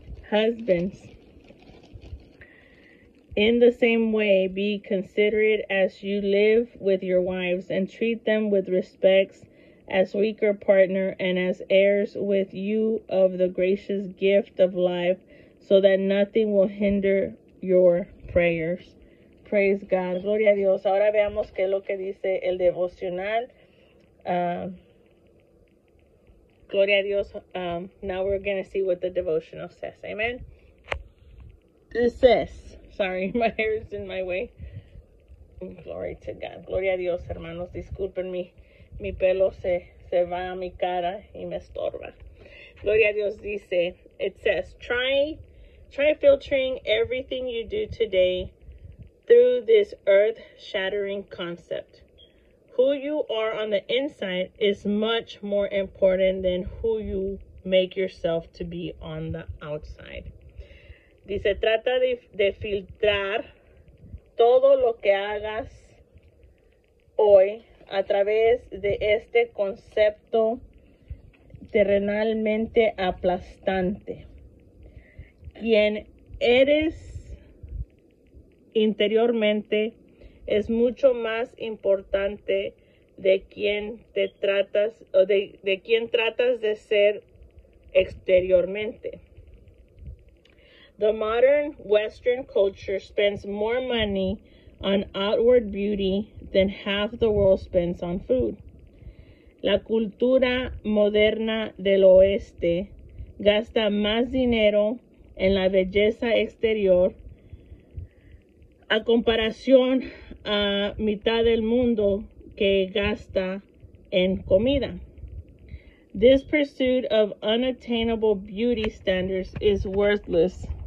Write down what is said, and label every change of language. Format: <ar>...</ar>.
<en>Husbands, in the same way, be considerate as you live with your wives and treat them with respects as weaker partner and as heirs with you of the gracious gift of life, so that nothing will hinder your prayers. Praise God.</en> <es>Gloria a Dios. Ahora veamos qué es lo que dice el devocional. Gloria a Dios.</es> <en>Now we're going to see what the devotional says. Amen. It says, sorry, my hair is in my way. Glory to God.</en> <es>Gloria a Dios, hermanos. Disculpen, mi pelo se va a mi cara y me estorba. Gloria a Dios dice,</es> <en>it says, try filtering everything you do today through this earth-shattering concept. Who you are on the inside is much more important than who you make yourself to be on the outside.</en> <es>Dice, trata de filtrar todo lo que hagas hoy a través de este concepto terrenalmente aplastante. Quien eres interiormente es mucho más importante de quién te tratas o de quién tratas de ser exteriormente.</es> <en>The modern Western culture spends more money on outward beauty than half the world spends on food.</en> <es>La cultura moderna del oeste gasta más dinero en la belleza exterior. A comparación a mitad del mundo que gasta en comida.</es> <en>This pursuit of unattainable beauty standards is worthless.</en>